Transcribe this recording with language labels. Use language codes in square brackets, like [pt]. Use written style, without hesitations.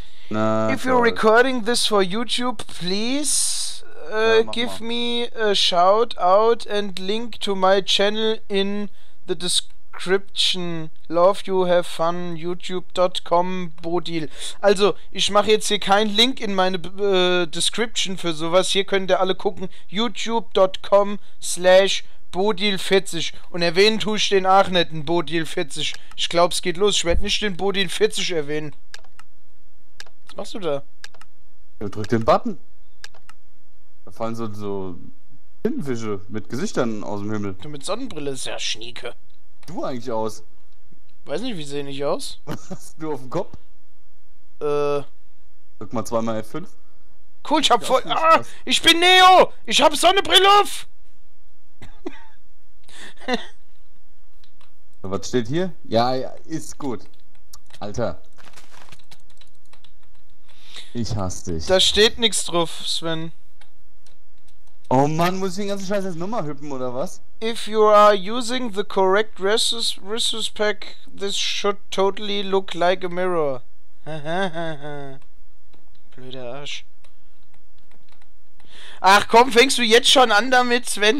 [en] If you're recording this for YouTube, please give me a shout out and link to my channel in the description. Love you, have fun, youtube.com, Bodil. [de] Also, ich mache jetzt hier keinen Link in meine Description für sowas. Hier könnt ihr alle gucken, youtube.com/Bodil40. Und erwähnen tue ich den auch nicht, Bodil40. Ich glaube, es geht los. Ich werde nicht den Bodil40 erwähnen. Was machst du da? Du drückst den Button. Da fallen so Tintenfische mit Gesichtern aus dem Himmel. Du mit Sonnenbrille, ist ja Schnieke. Du eigentlich aus? Weiß nicht, wie sehe ich aus? Was hast du auf dem Kopf? Drück mal zweimal F5. Cool, ich hab voll... Ah, ich bin Neo! Ich hab Sonnenbrille auf! Was steht hier? Ja, ist gut. Alter. Ich hasse dich. Da steht nichts drauf, Sven. Oh Mann, muss ich den ganzen Scheiß jetzt nochmal hüpfen oder was? [en] If you are using the correct resource pack, this should totally look like a mirror. [de] Blöder Arsch. Ach komm, fängst du jetzt schon an damit, Sven?